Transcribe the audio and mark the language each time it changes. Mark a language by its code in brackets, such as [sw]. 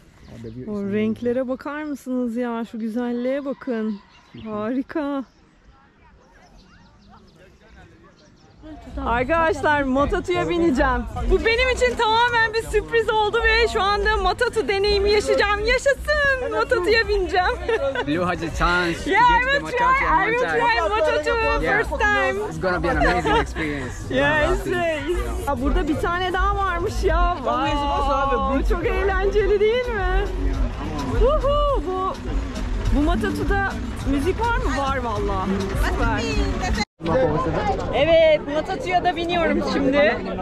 [en] How do you? [tr] O renklere bakar mısınız ya? Şu güzelliğe bakın. Harika. Arkadaşlar, Matatu'ya bineceğim. Bu benim için tamamen bir sürpriz oldu ve şu anda Matatu deneyimi yaşayacağım. Yaşasın! Matatu'ya bineceğim. [en] You had a chance. Yeah, I will try. I will try Matatu first time. It's gonna be an amazing experience. Yes. [tr] Burada bir tane daha varmış ya. Wow. Çok eğlenceli değil mi? Woohoo! Bu Matatu'da müzik var mı? Var valla. Süper. Evet, Matatu'ya da biniyorum şimdi.